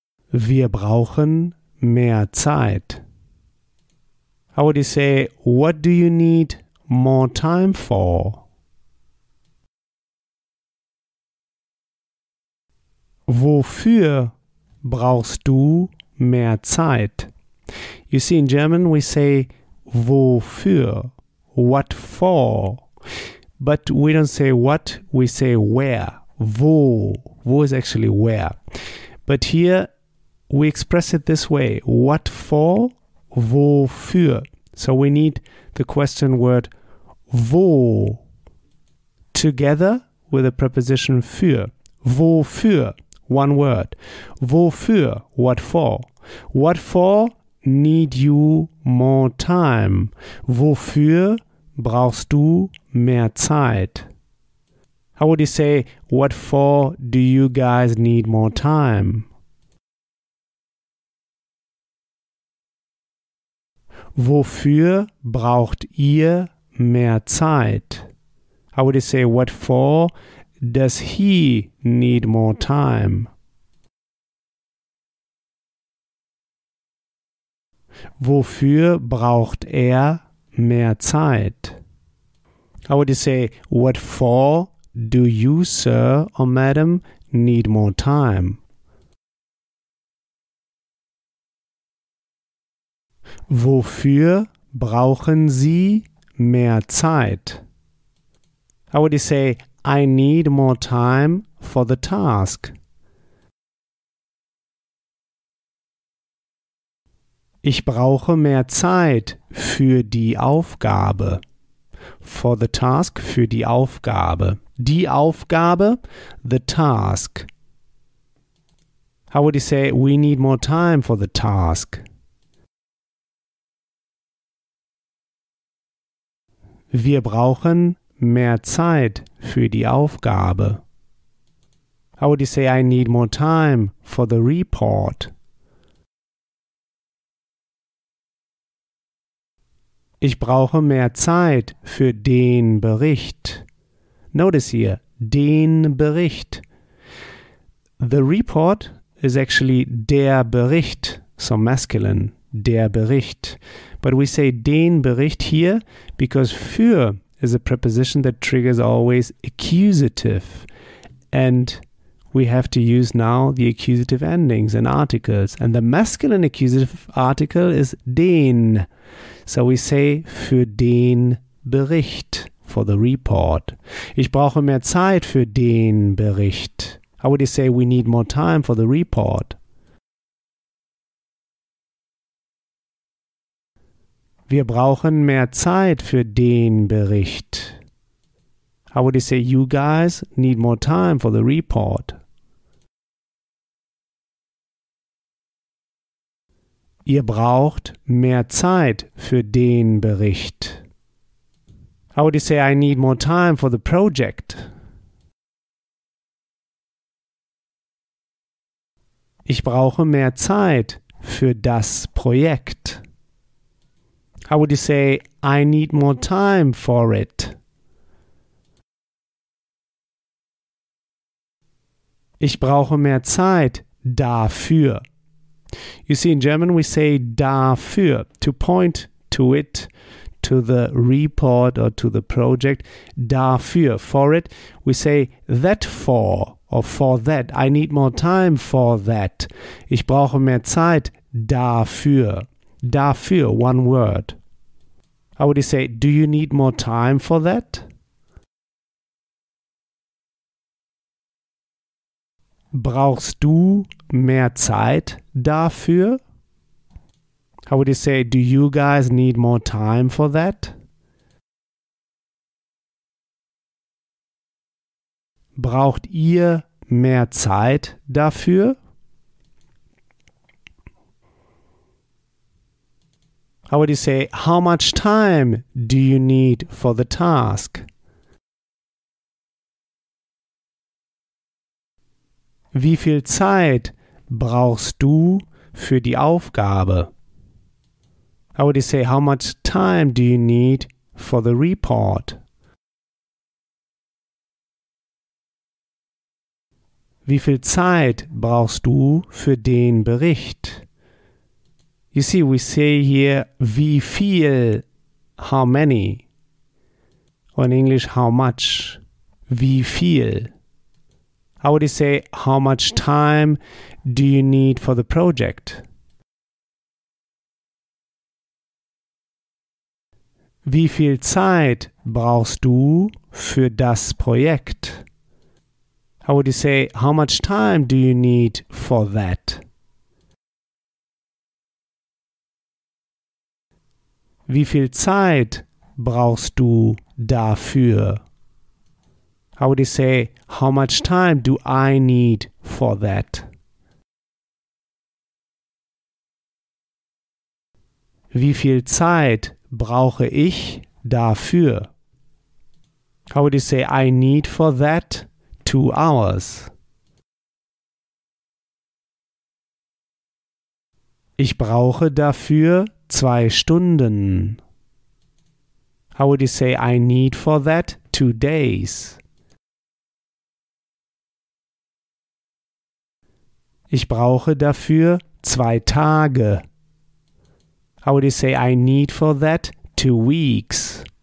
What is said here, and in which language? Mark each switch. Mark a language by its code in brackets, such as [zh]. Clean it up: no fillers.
[de] Wir brauchen mehr Zeit. [en] How would you say, what do you need more time for? [de] Wofür brauchst du mehr Zeit? [en] You see, in German we say, wofür, what for? But we don't say what, we say where, wo. Wo is actually where. But here we express it this way, what for, wofür. So we need the question word wo together with the preposition für. Wofür, one word. Wofür, what for. What for need you more time. [de] Wofür brauchst du mehr Zeit. [en] How would you say, what for do you guys need more time? [de] Wofür braucht ihr mehr Zeit? [en] How would you say, what for does he need more time? [de] Wofür braucht er mehr Zeit? [en] How would you say, what for do you, sir or madam, need more time? [de] Wofür brauchen Sie mehr Zeit? [en] How would you say, I need more time for the task? [de] Ich brauche mehr Zeit für die Aufgabe. [en] For the task, [de] für die Aufgabe. Die Aufgabe, [en] the task. How would you say, we need more time for the task? [de] Wir brauchen mehr Zeit für die Aufgabe. [en] How would you say, I need more time for the report? [de] Ich brauche mehr Zeit für den Bericht. [en] Notice here, [de] den Bericht. [en] The report is actually [de] der Bericht, [en] so masculine, der Bericht. But we say [de] den Bericht [en] here because für is a preposition that triggers always accusative. And we have to use now the accusative endings and articles. And the masculine accusative article is den. So we say [de] für den Bericht, [en] for the report. [de] Ich brauche mehr Zeit für den Bericht. [en] How would you say we need more time for the report? [de] Wir brauchen mehr Zeit für den Bericht. [en] How would you say, you guys need more time for the report? [de] Ihr braucht mehr Zeit für den Bericht. [en] How would you say, I need more time for the project? [de] Ich brauche mehr Zeit für das Projekt. [en] How would you say, I need more time for it? [de] Ich brauche mehr Zeit dafür. [en] You see, in German we say dafür, to point to it, to the report or to the project. Dafür, for it, we say that for or for that. I need more time for that. [de] Ich brauche mehr Zeit dafür. [en] Dafür, one word. How would you say, do you need more time for that? [de] Brauchst du mehr Zeit dafür? [en] How would you say, do you guys need more time for that? [de] Braucht ihr mehr Zeit dafür? [en] How would you say, how much time do you need for the task? [de] Wie viel Zeit brauchst du für die Aufgabe? [en] How would you say, how much time do you need for the report? [de] Wie viel Zeit brauchst du für den Bericht? [en] You see, we say here, [de] wie viel, [en] how many. Or in English, how much, [de] wie viel. [en] How would you say, how much time do you need for the project? [de] Wie viel Zeit brauchst du für das Projekt? [en] How would you say, how much time do you need for that? [de] Wie viel Zeit brauchst du dafür? [en] How would you say, how much time do I need for that? [de] Wie viel Zeit brauche ich dafür? [en] How would you say, I need for that 2 hours? [de] Ich brauche dafür 2 Stunden. [en] How would you say, I need for that 2 days? [de] Ich brauche dafür 2 Tage. [en] How would you say, I need for that 2 weeks?